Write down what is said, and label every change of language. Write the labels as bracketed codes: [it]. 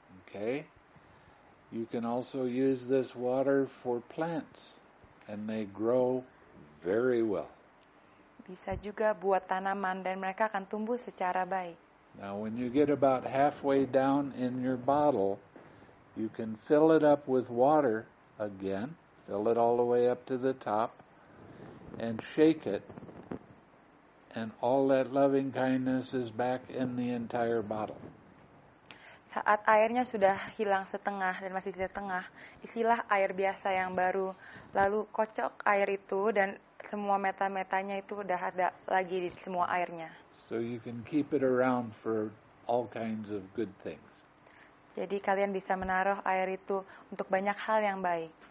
[en] Okay. You can also use this water for plants, and they grow very well. [id] Bisa juga buat tanaman dan mereka akan tumbuh secara baik. [en] Now, when you get about halfway down in your bottle, you can fill it up with water again, fill it all the way up to the top, and shake it, and all that loving kindness is back in the entire bottle. [id] Saat airnya sudah hilang setengah dan masih setengah, isilah air biasa yang baru, lalu kocok air itu dan semua meta-metanya itu sudah ada lagi di semua airnya. [en] So you can keep it around for all kinds of good things. [id] Jadi kalian bisa menaruh air itu untuk banyak hal yang baik.